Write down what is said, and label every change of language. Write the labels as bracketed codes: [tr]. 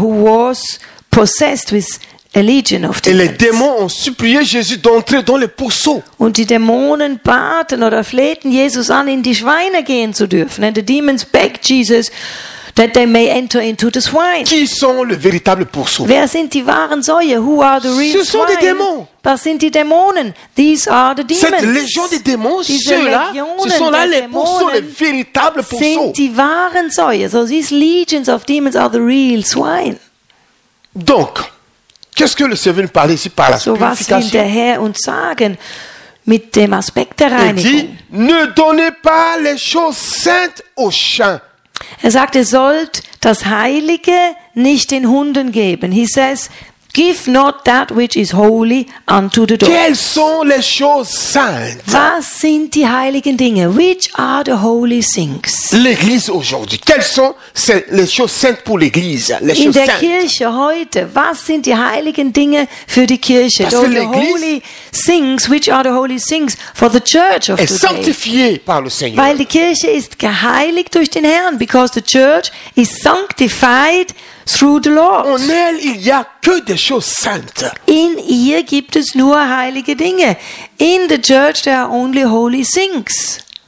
[en] Who was possessed with a legion of demons. [fr] Et les démons ont supplié Jésus d'entrer dans les pourceaux. [de] Und die Dämonen baten oder flehten Jesus an, in die Schweine gehen zu dürfen. [en] And the demons begged Jesus that they may enter into the swine. [fr] Qui sont les véritables pourceaux? [de] Wer sind die wahren Säue? [en] Who are the real swine? [fr] Ce sont des démons. [de] Was sind die Dämonen? [en] These are the demons. [fr] Cette légion des démons, ceux-là, ce sont là les pourceaux, les véritables pourceaux. [de] Sind die wahren Säue. [en] So these legions of demons are the real swine. [fr] Donc, qu'est-ce que le Seigneur nous parle ici par la purification? [de] So was will der Herr uns sagen mit dem Aspekt der Reinigung? [fr] Il dit, ne donnez pas les choses saintes aux chiens. [de] Er sagt, ihr sollt das Heilige nicht den Hunden geben. [en] He says, give not that which is holy unto the dogs. [fr] Quelles sont les choses saintes? [de] Was sind die heiligen Dinge? [en] Which are the holy things? [fr] L'Église aujourd'hui. Quelles sont les choses saintes pour l'Église? Les [de] in der [fr] saintes. [de] Kirche heute. Was sind die heiligen Dinge für die Kirche? [fr] Parce [en] the holy things. Which are the holy things for the church of today? [fr] Est sanctifiée par le Seigneur. [de] Weil die Kirche ist geheiligt durch den Herrn. [en] Because the church is sanctified through the Lord. [fr] En elle, il y a que des choses saintes. [de] In ihr gibt es nur heilige Dinge. [en] In the church there are only holy things.